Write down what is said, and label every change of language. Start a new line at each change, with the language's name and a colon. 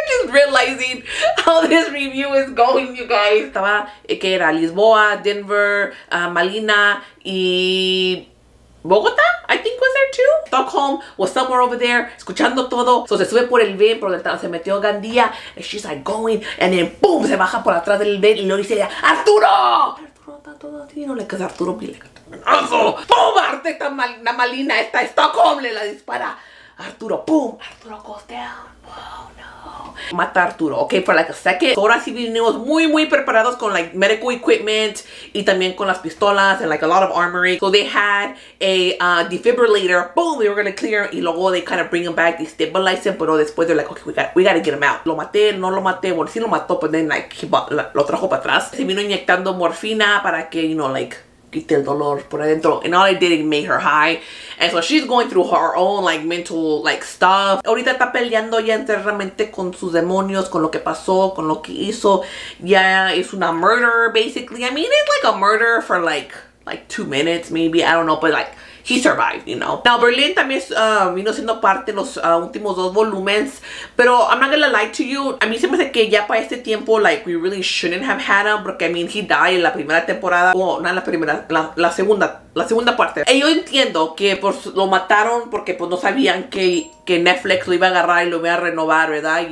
English: Realizing how this review is going, you guys.
Spanish: Estaba que era Lisboa, Denver, Malina, y Bogota,
English: I think was there too. Stockholm was somewhere over there,
Spanish: escuchando todo. So se sube por el ven, por donde se metió Gandía.
English: And she's like going, and then boom,
Spanish: se baja por atrás del ven y le dice, Arturo! Arturo está todo así, no le queda Arturo, pile. ¡Boom! Arte está mal, la Malina está en Stockholm, le la dispara.
English: Arturo, boom, Arturo goes down.
Spanish: Mata a Arturo,
English: okay, for like a second.
Spanish: So ahora sí vinimos muy, muy preparados con
English: like medical equipment
Spanish: y también con las pistolas
English: and like a lot of armory. So they had a defibrillator. Boom, they were gonna clear him.
Spanish: Y luego
English: they kind of bring him back, they stabilize him,
Spanish: pero después
English: they're like, okay, we gotta get him out.
Spanish: Lo maté, no lo maté, bueno, sí lo mató,
English: but then like
Spanish: lo trajo para atrás. Se vino inyectando morfina para que,
English: you know, like,
Spanish: quite el dolor por adentro.
English: And all I did is made her high. And so she's going through her own like mental like stuff.
Spanish: Ahorita está peleando ya internamente con sus demonios, con lo que pasó, con lo que hizo. Ya es una
English: murderer, basically. I mean, it's like a murder for like 2 minutes, maybe. I don't know, but like, he survived, you know. Now,
Spanish: Berlin también vino siendo parte de los últimos dos volúmenes. Pero
English: I'm not gonna lie to you.
Spanish: A mí se me hace que ya para este tiempo,
English: like, we really shouldn't have had him.
Spanish: Porque,
English: I mean, he died
Spanish: en la primera temporada.
English: Oh, no,
Spanish: la primera, la segunda parte. Y yo entiendo que pues, lo mataron porque pues, no sabían que Netflix lo iba a agarrar y lo iba a renovar, ¿verdad?